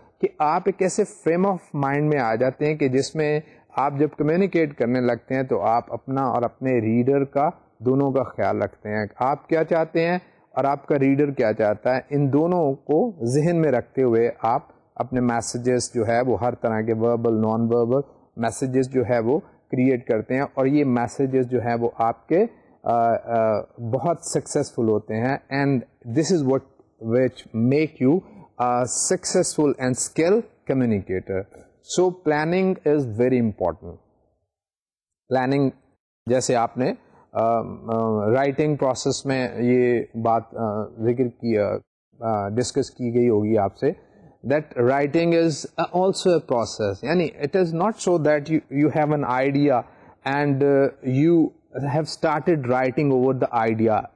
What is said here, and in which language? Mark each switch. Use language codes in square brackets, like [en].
[ur] کہ آپ ایک ایسے فریم آف مائنڈ میں آ جاتے ہیں کہ جس میں آپ جب کمیونیکیٹ کرنے لگتے ہیں تو آپ اپنا اور اپنے ریڈر کا دونوں کا خیال رکھتے ہیں, آپ کیا چاہتے ہیں اور آپ کا ریڈر کیا چاہتا ہے, ان دونوں کو ذہن میں رکھتے ہوئے آپ اپنے میسیجز جو ہے وہ ہر طرح کے وربل نان وربل میسیجز جو ہے وہ کریٹ کرتے ہیں, اور یہ میسیجز جو ہیں وہ آپ کے بہت سکسیزفل ہوتے ہیں. [en] And this is what which make you successful and skill communicator. So planning is very important. [ur] Planning جیسے آپ نے رائٹنگ پروسیس میں یہ بات ذکر کی ڈسکس کی گئی ہوگی آپ سے, [en] that writing is also a process, yani it is not so that you have an idea and you have started writing over the idea.